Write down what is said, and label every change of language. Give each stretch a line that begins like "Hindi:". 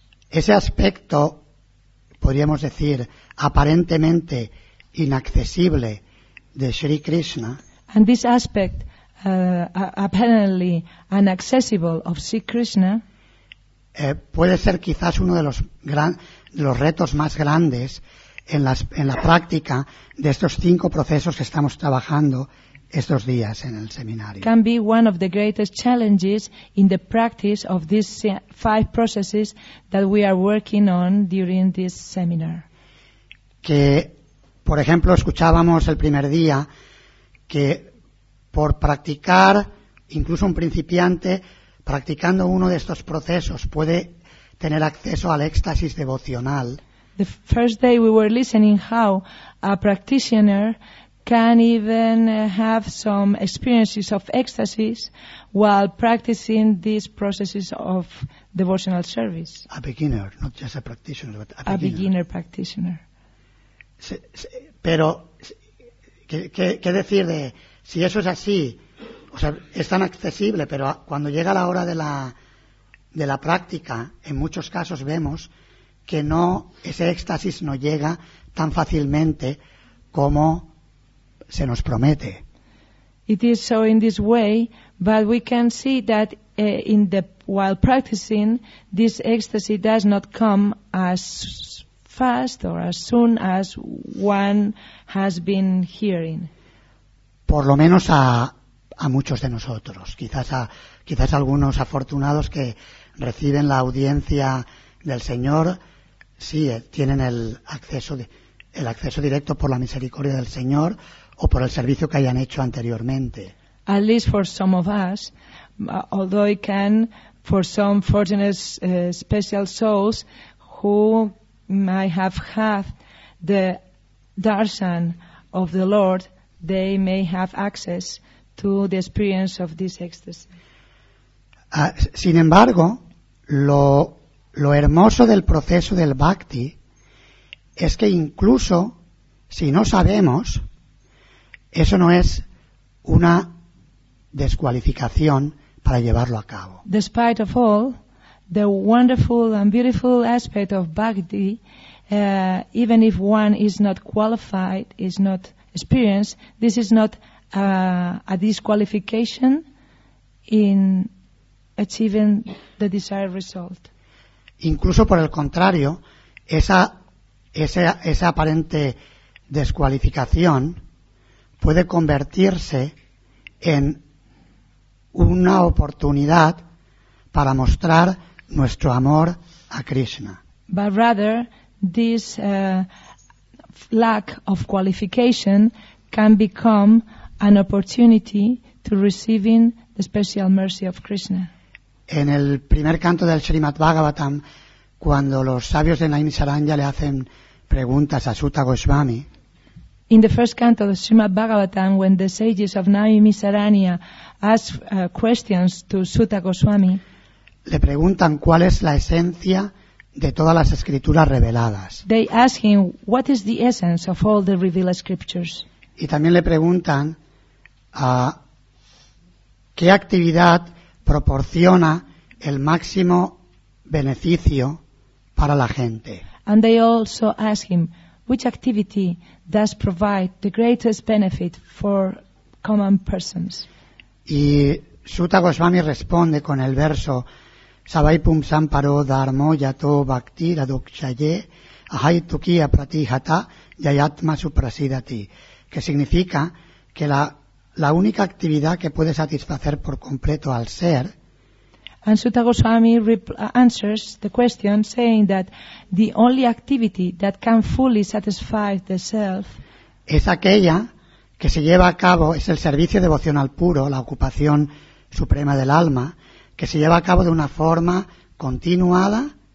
Spanish: Ese aspecto, podríamos decir, aparentemente inaccesible de Sri Krishna.
English: And this aspect, apparently inaccessible of Sri Krishna,
Spanish: puede ser quizás uno de los retos más grandes en la práctica de estos cinco procesos que estamos trabajando estos días en el seminario.
English: Can be one of the greatest challenges in the practice of these five processes that we are working on during this seminar.
Spanish: Que, por ejemplo, escuchábamos el primer día que por practicar, incluso un principiante, practicando uno de estos procesos puede tener acceso al éxtasis devocional.
English: The first day we were listening how a practitioner can even have some experiences of ecstasies while practicing these processes of devotional service. A beginner, not just a practitioner, but a beginner practitioner.
Spanish: Pero, ¿qué decir de si eso es así? O sea, es tan accesible, pero cuando llega la hora de la práctica, en muchos casos vemos que no, ese éxtasis no llega tan fácilmente como se nos promete.
English: It is so in this way, but we can see that while practicing, this ecstasy does not come as fast or as soon as one has been hearing.
Spanish: Por lo menos a muchos de nosotros, quizás a algunos afortunados que reciben la audiencia del Señor, sí, tienen el acceso directo por la misericordia del Señor o por el servicio que hayan hecho anteriormente.
English: At least for some of us, although it can, for some fortunate special souls who might have had the darshan of the Lord, they may have access to the experience of this ecstasy.
Spanish: Sin embargo, lo hermoso del proceso del bhakti es que incluso si no sabemos, eso no es una descualificación para llevarlo a cabo.
English: Despite of all, the wonderful and beautiful aspect of bhakti, even if one is not qualified, is not experienced, this is not a disqualification in achieving the desired result.
Spanish: Incluso por el contrario, esa aparente descualificación puede convertirse en una oportunidad para mostrar nuestro amor a Krishna.
English: But rather, this lack of qualification can become an opportunity to receiving the special mercy of Krishna.
Spanish: En el primer canto del Srimad Bhagavatam, cuando los sabios de Nainisaranya le hacen preguntas a Suta Goswami.
English: In the first canto of the Srimad Bhagavatam, when the sages of Nainisaranya ask questions to Suta Goswami,
Spanish: le preguntan cuál es la esencia de todas las escrituras reveladas.
English: They ask him what is the essence of all the revealed scriptures.
Spanish: Y también le preguntan qué actividad proporciona el máximo beneficio para la gente.
English: And they also ask him which activity does provide the greatest benefit for common persons.
Spanish: Y Suta Goswami responde con el verso
Sanskrit: Sabaipum Samparo Dharmo Yato Bhakti Radukshaye Ahai Tukia Pratihata Yayatma Suprasidati,
Spanish: que significa que la única actividad que puede satisfacer por completo al ser.
English: And Suta Goswami answers the question saying that the only activity that can fully satisfy the self
Spanish: es aquella que se lleva a cabo, es el servicio devocional puro, la ocupación suprema del alma, que se lleva a cabo de una forma continuada